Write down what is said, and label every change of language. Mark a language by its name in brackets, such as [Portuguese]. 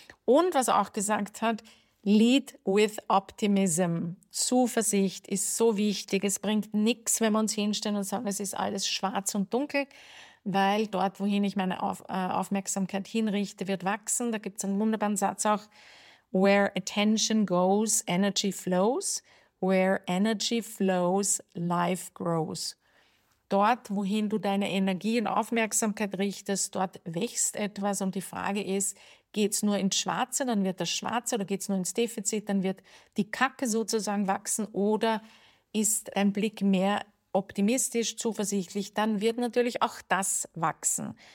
[German] Und was er auch gesagt hat, [English] Lead with Optimism. [German] Zuversicht ist so wichtig. Es bringt nichts, wenn wir uns hinstellen und sagen, es ist alles schwarz und dunkel, weil dort, wohin ich meine Aufmerksamkeit hinrichte, wird wachsen. Da gibt es einen wunderbaren Satz auch. [English] Where attention goes, energy flows. Where energy flows, life grows. [German] Dort, wohin du deine Energie und Aufmerksamkeit richtest, dort wächst etwas. Und die Frage ist, geht es nur ins Schwarze, dann wird das Schwarze, oder geht es nur ins Defizit, dann wird die Kacke sozusagen wachsen, oder ist ein Blick mehr optimistisch, zuversichtlich, dann wird natürlich auch das wachsen.